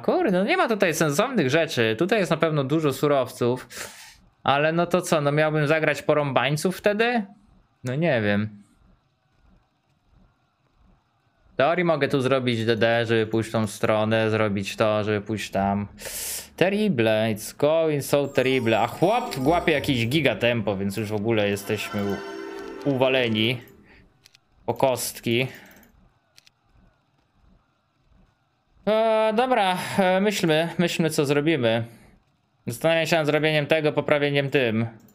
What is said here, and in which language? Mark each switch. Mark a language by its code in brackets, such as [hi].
[pl] Kurde, no nie ma tutaj sensownych rzeczy. Tutaj jest na pewno dużo surowców. Ale no to co, no miałbym zagrać porąbańców wtedy? No nie wiem. W teorii mogę tu zrobić DD, żeby pójść w tą stronę, zrobić to, żeby pójść tam. [en] Terrible, it's going so terrible. [pl] A chłop głapie jakiś gigatempo, więc już w ogóle jesteśmy uwaleni. Po kostki. Dobra, myślmy co zrobimy. Zastanawiam się nad zrobieniem tego, poprawieniem tym.